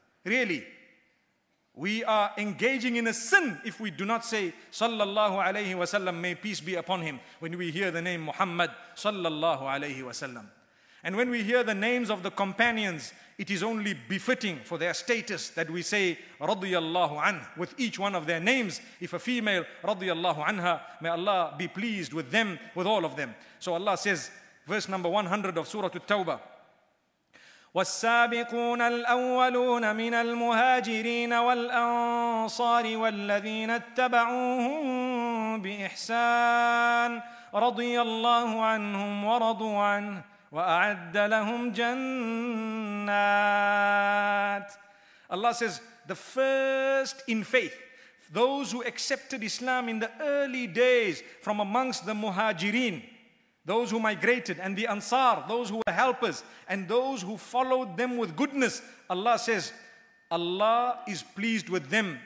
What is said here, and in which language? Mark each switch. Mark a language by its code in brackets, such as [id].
[en] Really, we are engaging in a sin if we do not say sallallahu alayhi wa sallam, may peace be upon him, when we hear the name Muhammad sallallahu alayhi wa sallam. And when we hear the names of the companions, it is only befitting for their status that we say radiyallahu anh with each one of their names. If a female, radiyallahu anha, may Allah be pleased with them, with all of them. So Allah says, verse number 100 of Surah At-Tawbah, [ar] والسابقون الأولون من المهاجرين والأنصار والذين اتبعوهم بإحسان رضي الله عنهم ورضوا عنه وأعد لهم جنات. [en] Allah says, the first in faith, those who accepted Islam in the early days from amongst the muhajirin, those who migrated, and the Ansar, those who were helpers, and those who followed them with goodness. Allah says, Allah is pleased with them.